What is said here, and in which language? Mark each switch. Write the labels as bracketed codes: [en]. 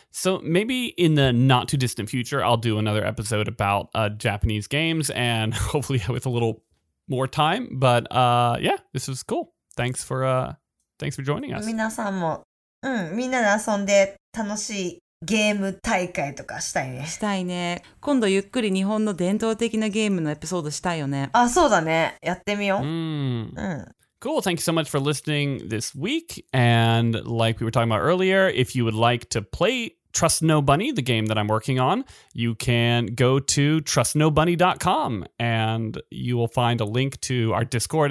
[en] So maybe in the not too distant future, I'll do another episode about Japanese games and hopefully with a little more time. But yeah, this was cool. Thanks for joining us. [ja] 皆さんも、みんなで遊んで楽しいゲーム大会とかしたいね。したいね。今度ゆっくり日本の伝統的なゲームのエピソードしたいよね。あ、そうだね。やってみよう。 [en] Cool. Thank you so much for listening this week. And like we were talking about earlier, if you would like to play Trust No Bunny, the game that I'm working on, you can go to trustnobunny.com and you will find a link to our Discord.